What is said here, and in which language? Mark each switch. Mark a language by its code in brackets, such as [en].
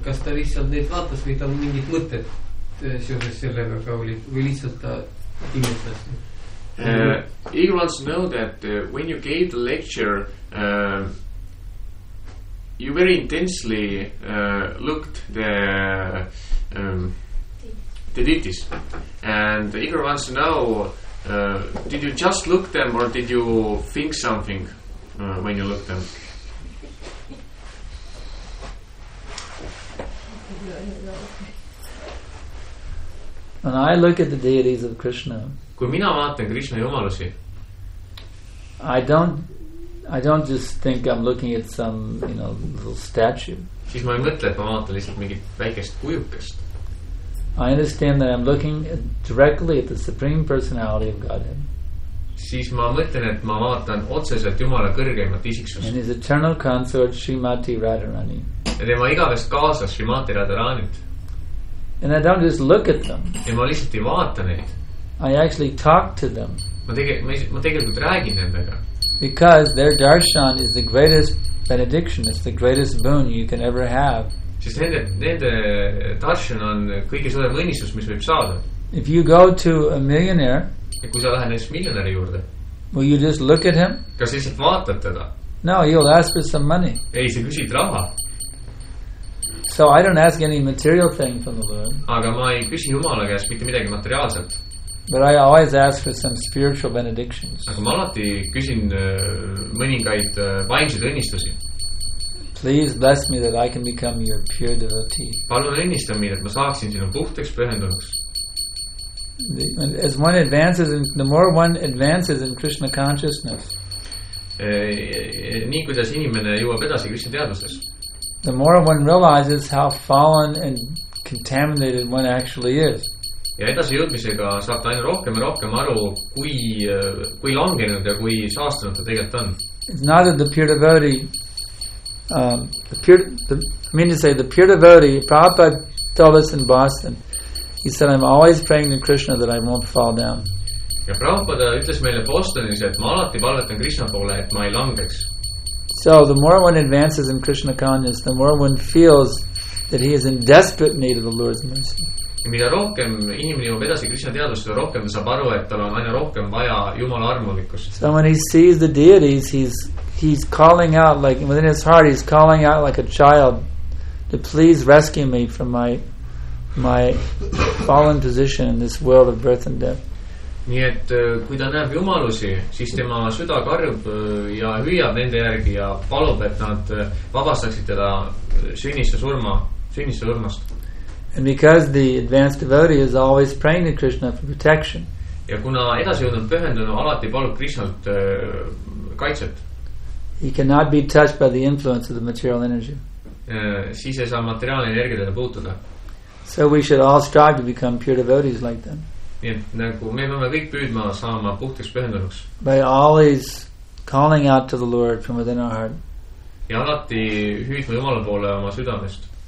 [et] Kas ta lihtsalt neid vaatas või ta mingid mõtted seoses sellega ka oli? Või lihtsalt ta imetas? [en] Eagle wants to know that when you gave the lecture, you very intensely looked the deities, and Igor wants to know, did you just look them or did you think something when you looked them? When I look at the deities of Krishna, [et] kui mina vaatan Krishna jumalusi, [en] I don't just think I'm looking at some, you know, little statue. [et] Siis ma ei mõtle, et ma vaatan lihtsalt mingit väikest kujukest. [en] I understand that I'm looking directly at the Supreme Personality of Godhead. [et] Siis ma mõtlen, et ma vaatan otseselt Jumala kõrgeimat isiksust. [en] And his eternal consort, Srimati Radharani. [et] Ja tema igavest kaasas Srimati Radharanit. [en] And I don't just look at them. [et] Ja ma lihtsalt ei vaata neid. [en] I actually talk to them. [et] ma tegelikult räägin nendega. [en] Because their darshan is the greatest benediction, it's the greatest boon you can ever have. [et] Sest nende darshan on kõige suurem õnnistus, mis võib saada. [en] If you go to a millionaire, [et] ja kui sa lähen näis miljonäri juurde, [en] will you just look at him? [et] Kas sa lihtsalt vaatad teda? [en] No, you'll ask for some money. [et] Ei, sa küsid raha. [en] So I don't ask any material thing from the Lord. [et] Aga ma ei küsi Jumala käest mitte midagi materiaalselt. [en] But I always ask for some spiritual benedictions. [et] Aga ma alati küsin mõningaid vaimseid õnnistusi. [en] Please bless me that I can become your pure devotee. [et] Palun õnnista mind, et ma saaksin sinu puhteks pühendunuks. [en] As one advances, in, the more one advances in Krishna consciousness, [et] nii kuidas inimene jõuab edasi Krishna teadvuses, [en] the more one realizes how fallen and contaminated one actually is. [et] Ja edasi jõudmisega saab ta ainult rohkem ja rohkem aru, kui langenud ja kui saastunud ta tegelikult on. [en] It's not that the pure devotee, the pure devotee, Prabhupada told us in Boston, he said, I'm always praying to Krishna that I won't fall down. [et] Ja Prabhupada ütles meile Bostonis, et ma alati palvetan Krishna poole, et ma ei langeks. [en] So the more one advances in Krishna consciousness, the more one feels that he is in desperate need of the Lord's mercy. [et] Ja mida rohkem inimene jõuab edasi Krishna teadust, seda rohkem ta saab aru, et tal on aina rohkem vaja Jumala armulikust. [en] So when he sees the deities, he's calling out, like within his heart, he's calling out like a child to please rescue me from my fallen position in this world of birth and death. [et] Nii et kui ta näeb jumalusi, siis tema süda karjub ja hüüab nende järgi ja palub, et nad vabastaksid teda sünnist ja surmast. [en] And because the advanced devotee is always praying to Krishna for protection. [et] Ja kuna edasi jõudnud pühendunu alati palub Krishnalt kaitset. [en] He cannot be touched by the influence of the material energy. [et] Siis ei saa materiaalne energia teda puutuda. [en] So we should all strive to become pure devotees like them. [et] Nagu me peame kõik püüdma saama puhtaks pühendunuks. [en] By always calling out to the Lord from within our heart. [et] Ja alati hüüdma Jumala poole oma südamest.